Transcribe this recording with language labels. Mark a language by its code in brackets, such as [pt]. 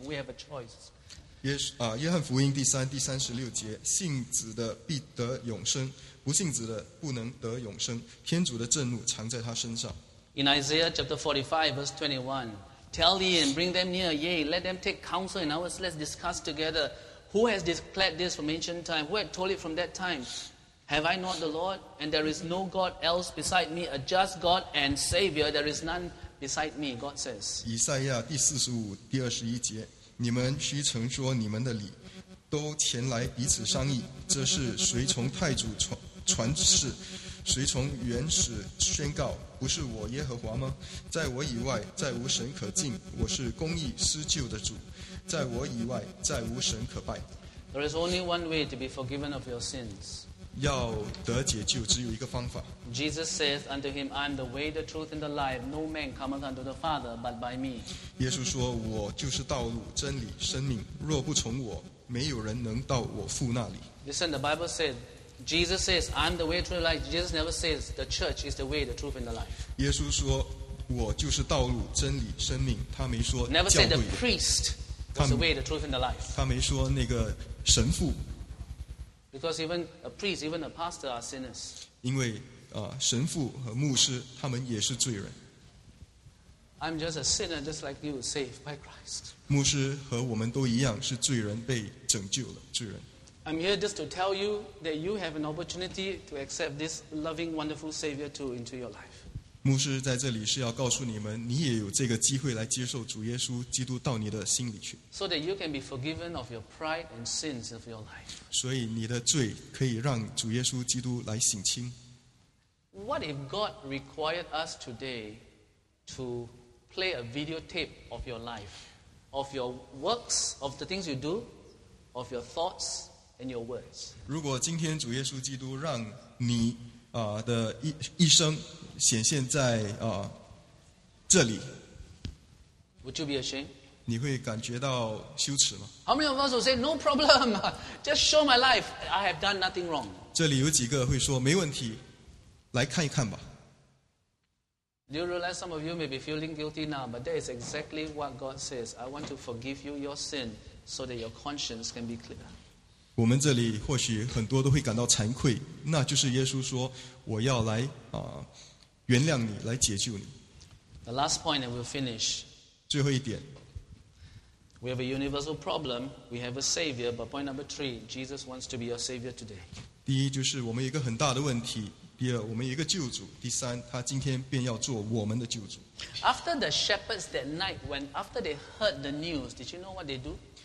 [en] We have a choice. [zh] 约翰福音第三、第三十六节, 信子的必得永生, 不信子的不能得永生, 天主的震怒藏在他身上。 [en] In Isaiah chapter 45, verse 21, Tell ye and bring them near, yea, let them take counsel in ours, let's discuss together. Who has declared this from ancient time? Who had told it from that time? Have I not the Lord? And there is no God else beside me, a just God and Savior, there is none beside me, God says. [zh] 以赛亚第45:21节, 你们须曾说你们的理, 都前来彼此商议, 这是谁从太祖传世, 谁从原始宣告, 不是我耶和华吗? 在我以外, 再无神可敬, 我是公义, 施救的主, 在我以外, 再无神可拜。 [en] There is only one way to be forgiven of your sins. [zh] 要得解救, 只有一个方法。 [en] Jesus says unto him, I am the way, the truth, and the life. No man cometh unto the Father but by me. [zh] 耶稣说, 我就是道路, 真理, 生命, 若不从我, 没有人能到我父那里。 [en] Listen, the Bible said, Jesus says, I'm the way, truth, and life. Jesus never says, the church is the way, the truth, and the life. [zh] 耶稣说, 我就是道路, 真理, 生命, 他没说, [en] never said the priest was the way, the truth, and the life. [zh] 他没说那个神父, [en] because even a priest, even a pastor are sinners. [zh] 因为, 神父和牧师, 他们也是罪人。 [en] I'm just a sinner, just like you, saved by Christ. [zh] 牧师和我们都一样, 是罪人, 被拯救了, 罪人。 [en] I'm here just to tell you that you have an opportunity to accept this loving, wonderful Savior too into your life. [zh] 牧师在这里是要告诉你们, 你也有这个机会来接受主耶稣基督到你的心里去。 [en] So that you can be forgiven of your pride and sins of your life. [zh] 所以你的罪可以让主耶稣基督来省清。 [en] What if God required us today to play a videotape of your life, of your works, of the things you do, of your thoughts, in your words. [zh] 如果今天主耶稣基督让你, 的一生显现在, 这里, [en] would you be ashamed? [zh] 你会感觉到羞耻吗? [en] How many of us will say, no problem, just show my life, I have done nothing wrong. [zh] 这里有几个会说, 没问题, 来看一看吧。 [en] Do you realize some of you may be feeling guilty now, but that is exactly what God says. I want to forgive you your sin so that your conscience can be clear. [zh] 我们这里或许很多都会感到惭愧, 那就是耶稣说, 我要来, 原谅你, 来解救你。 [en] The last point and we'll finish. [zh] 最后一点, [en] we have a universal problem, we have a Savior, but point number three, Jesus wants to be your Savior today. [zh] 第一就是我们有一个很大的问题, 第二我们有一个救主, 第三, 他今天便要做我们的救主。 [en] After the shepherds that night, when after they heard the news, did you know what they do?